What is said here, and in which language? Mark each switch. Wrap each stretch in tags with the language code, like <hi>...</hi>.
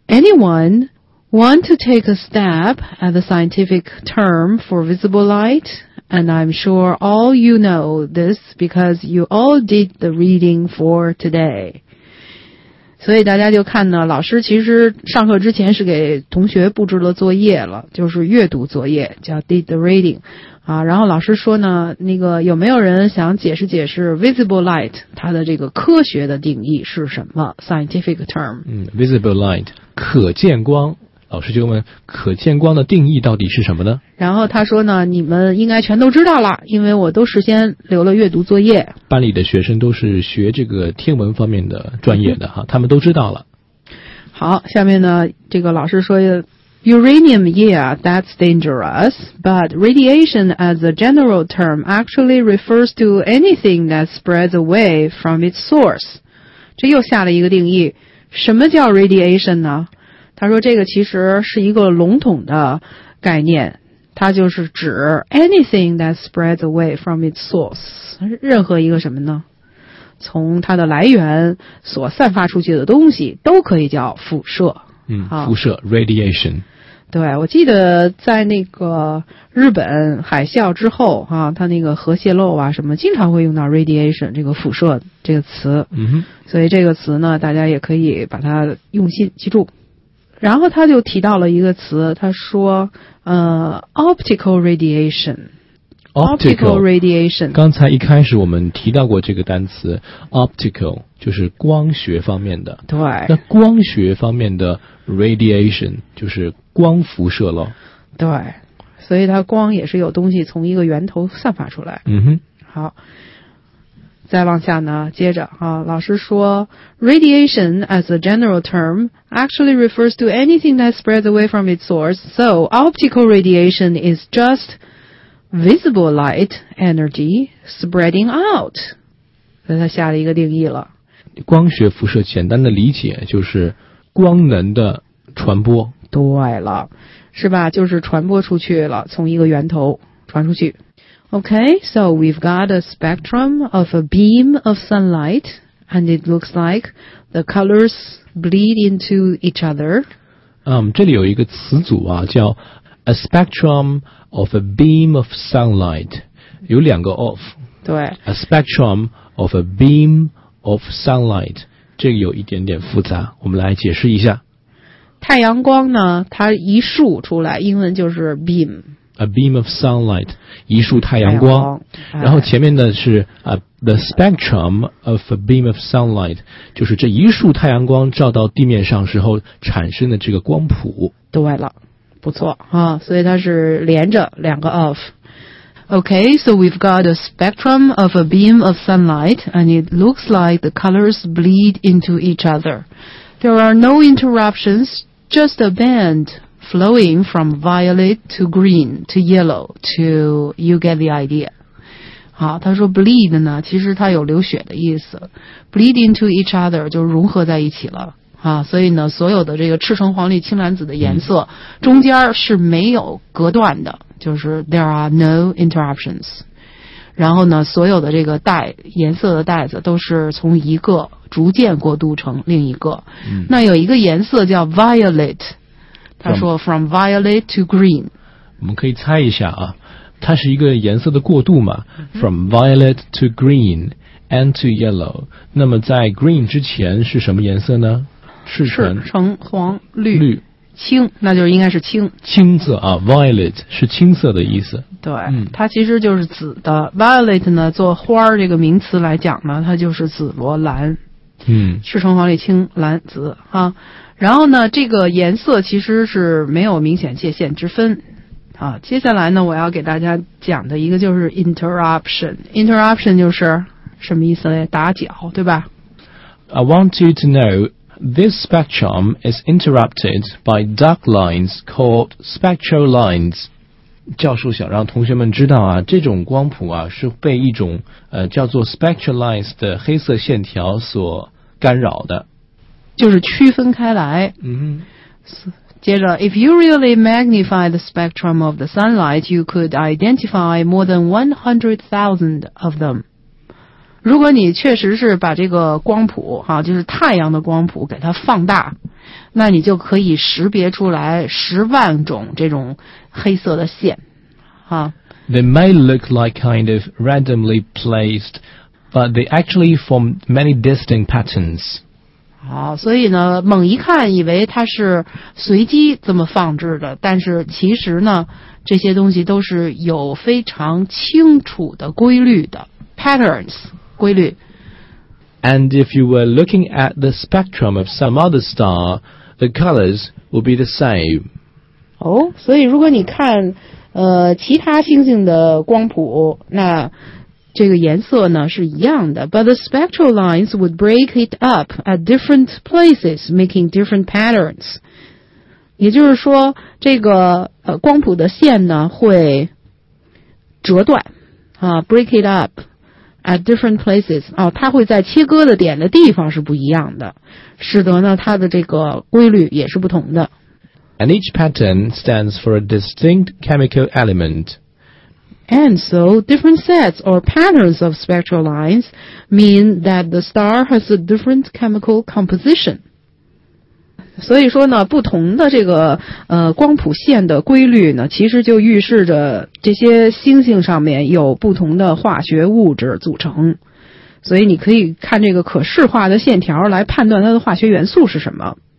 <en>Anyone want to take a stab at the scientific term for visible light? And I'm sure all you know this because you all did the reading for today.</en> <zh>所以大家就看呢，老师其实上课之前是给同学布置了作业了，就是阅读作业，叫</zh> <en>did the reading。</en> <zh>啊，然后老师说呢，那个有没有人想解释解释 visible light 它的这个科学的定义是什么 ？</zh> <en>Scientific term。</en> <zh>嗯 ，visible light 可见光。老师就问可见光的定义到底是什么呢？然后他说呢，你们应该全都知道了，因为我都事先留了阅读作业。班里的学生都是学这个天文方面的专业的哈，他们都知道了。好，下面呢，这个老师说。</zh> <en>Uranium, yeah, that's dangerous, but radiation as a general term actually refers to anything that spreads away from its source.</en> <zh>这又下了一个定义，什么叫 radiation 呢？他说这个其实是一个笼统的概念，它就是指</zh> <en>anything that spreads away from its source,</en> <zh>任何一个什么呢？从它的来源所散发出去的东西都可以叫辐射。嗯，辐射 radiation。对，我记得在那个日本海啸之后啊，它那个核泄漏啊什么，经常会用到 radiation 这个辐射这个词。嗯哼，所以这个词呢，大家也可以把它用心记住。然后他就提到了一个词，他说，optical radiation。</zh> <en>Optical radiation。</en> <zh>刚才一开始我们提到过这个单词 ，optical 就是光学方面的。对。那光学方面的 radiation 就是光辐射咯。对。所以它光也是有东西从一个源头散发出来。嗯哼。好。再往下呢，接着啊，老师说</zh> <en>，radiation as a general term actually refers to anything that spreads away from its source. So optical radiation is just visible light energy spreading out.</en> <zh>那他下了一个定义了。光学辐射简单的理解就是光能的传播。对了，是吧？就是传播出去了，从一个源头传出去。</zh> <en>Okay, so we've got a spectrum of a beam of sunlight, and it looks like the colors bleed into each other.</en> <zh>这里有一个词组啊，叫</zh> <en>a spectrum of a beam of sunlight.</en> <zh>有两个 of. 对。</zh> <en>A spectrum of a beam of sunlight.</en> <zh>这个有一点点复杂，我们来解释一下。太阳光呢，它一束出来，英文就是 beam。</zh> <en>A beam of sunlight,</en> <zh>一束太阳光。然后前面的是</zh> <en>the spectrum of a beam of sunlight,</en> <zh>就是这一束太阳光照到地面上时候产生的这个光谱。对了，不错啊，所以它是连着两个 of。</zh> <en>Okay, so we've got a spectrum of a beam of sunlight, and it looks like the colors bleed into each other. There are no interruptions, just a band. Flowing from violet to green to yellow to you get the idea.</en> <zh>好，他说 bleed 呢，其实它有流血的意思。</zh> <en>Bleed into each other</en> <zh>就融合在一起了啊，所以呢，所有的这个赤橙黄绿青蓝紫的颜色中间是没有隔断的，就是</zh> <en>there are no interruptions.</en> <zh>然后呢，所有的这个带颜色的带子都是从一个逐渐过渡成另一个。那有一个颜色叫 violet。他说</zh> <en>from violet to green.</en> <zh>我们可以猜一下啊，它是一个颜色的过渡嘛 ,</zh> <en>from violet to green and to yellow.</en> <zh>那么在 green 之前是什么颜色呢？赤橙。赤橙黄绿。绿。青，那就应该是青。青色啊 ,violet 是青色的意思。对、它其实就是紫的。 violet 呢做花这个名词来讲呢，它就是紫罗兰。赤橙黄绿青蓝紫啊。然后呢，这个颜色其实是没有明显界限之分啊。接下来呢，我要给大家讲的一个就是 interruption。 interruption 就是什么意思呢？打搅，对吧</zh> <en>？I want you to know this spectrum is interrupted by dark lines called spectral lines。</en> <zh>教授想让同学们知道啊，这种光谱啊是被一种叫做 spectral lines 的黑色线条所干扰的。就是区分开来。接着</zh> <en>,if you really magnify the spectrum of the sunlight, you could identify more than 100,000 of them.</en> <zh>如果你确实是把这个光谱啊，就是太阳的光谱给它放大，那你就可以识别出来10万种这种黑色的线啊。</zh> <en>They may look like kind of randomly placed, but they actually form many distinct patterns.</en> <zh>好，所以呢，猛一看以为它是随机这么放置的，但是其实呢，这些东西都是有非常清楚的规律的 patterns 规律。</zh> <en>And if you were looking at the spectrum of some other star, the colors would be the same.</en> <zh>哦，所以如果你看其他星星的光谱，那这个颜色呢是一样的。</zh> <en>But the spectral lines would break it up at different places, making different patterns.</en> <zh>也就是说，这个光谱的线呢会折断啊 ，</zh> <en>break it up at different places.</en> <zh>哦，它会在切割的点的地方是不一样的，使得呢它的这个规律也是不同的。</zh> <en>And each pattern stands for a distinct chemical element. And so, different sets or patterns of spectral lines mean that the star has a different chemical composition.</en> <zh>所以说呢，不同的这个光谱线的规律呢，其实就预示着这些星星上面有不同的化学物质组成。所以你可以看这个可视化的线条来判断它的化学元素是什么。</zh>